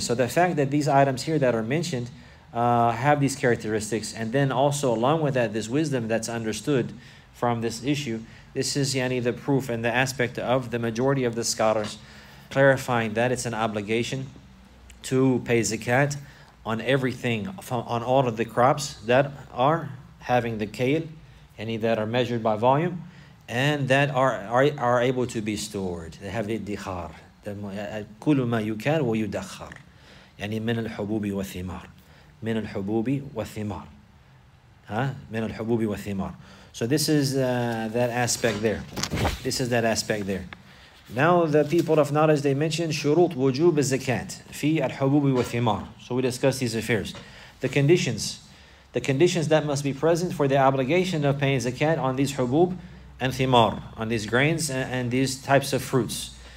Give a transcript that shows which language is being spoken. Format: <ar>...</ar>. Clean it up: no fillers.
<en>So the fact that these items here that are mentioned have these characteristics, and then also along with that, this wisdom that's understood from this issue, this is the proof and the aspect of the majority of the scholars clarifying that it's an obligation to pay zakat on everything, on all of the crops that are having the kale, any that are measured by volume, and that are able to be stored. They have iddikhar.</en> <ar>كُلُّ مَا يُكَالُ وَيُدَخَّرُ يعني من الحبوب والثمار من الحبوب والثمار من الحبوب والثمار.</ar> <en>So this is that aspect there. This is that aspect there. Now the people of knowledge, they mentioned</en> <ar>شروط وجوب الزكات في الحبوب والثمار.</ar> <en>So we discuss these affairs. The conditions that must be present for the obligation of paying zakat on these hubub and thimar, on these grains and these types of fruits.</en>